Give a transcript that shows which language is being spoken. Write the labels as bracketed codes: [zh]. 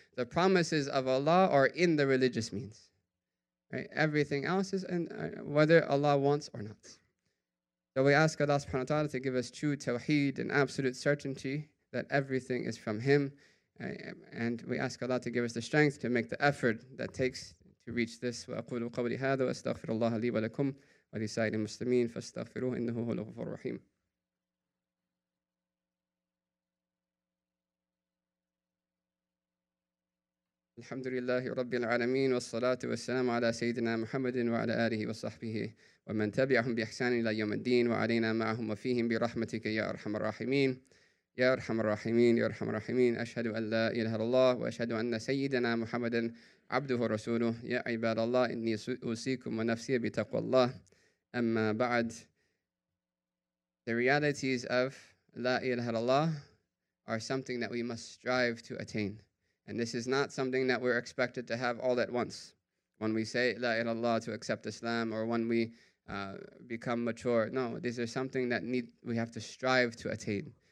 [en] The promises of Allah are in the religious means. Right? Everything else is in whether Allah wants or not. So we ask Allah subhanahu wa ta'ala to give us true tawheed and absolute certainty that everything is from Him. And we ask Allah to give us the strength to make the effort that takes to reach this. [ar] وأقول قولي هذا وأستغفر الله لي ولكم ولسائر المسلمين فاستغفروه إنه هو الغفور الرحيم. الحمد لله رب العالمين والصلاة والسلام على سيدنا محمد وعلى آله وصحبه ومن تبعهم بإحسان إلى يوم الدين وعلينا معهم وفيهم برحمتك يا أرحم الراحمين. يا أرحم الراحمين يا أرحم الراحمين أشهد أن لا إله إلا الله وأشهد أن سيدنا محمدا عبده ورسوله يا عباد الله إني أوصيكم ونفسي بتقوى الله أما بعد. [en] The realities of [ar] لا إله إلا الله [en] are something that we must strive to attain, and this is not something that we're expected to have all at once. When we say [ar] لا إله إلا الله [en] to accept Islam, or when we become mature, no, these are something that we have to strive to attain.